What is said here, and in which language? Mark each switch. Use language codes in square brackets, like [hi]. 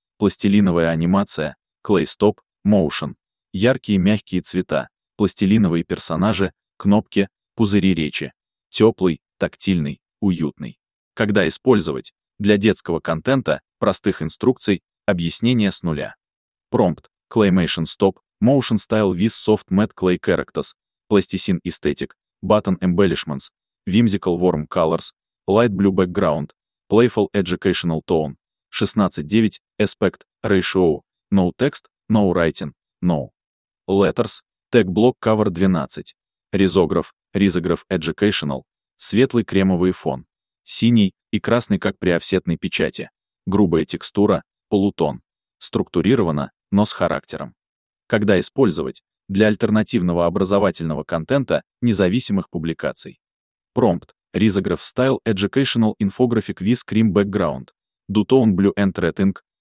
[ru] Пластилиновая анимация, [en] Clay Stop, Motion, [ru] яркие мягкие цвета, пластилиновые персонажи, кнопки, пузыри речи, теплый, тактильный, уютный. Когда использовать? Для детского контента, простых инструкций, объяснения с нуля. [en] Prompt, Claymation Stop, Motion Style with Soft Matte Clay Characters, Plasticine Aesthetic, Button Embellishments, Whimsical Warm Colors, Light Blue Background, Playful Educational Tone, 16:9, Aspect, Ratio, No Text, No Writing, No Letters, Tech Block Cover 12, Risograph, Risograph Educational, [ru] светлый кремовый фон, синий и красный как при офсетной печати, грубая текстура, полутон, структурировано, но с характером. Когда использовать? Для альтернативного образовательного контента, независимых публикаций. [en] Prompt. Risograph Style Educational Infographic with Cream Background. Dutone Blue and Red Ink.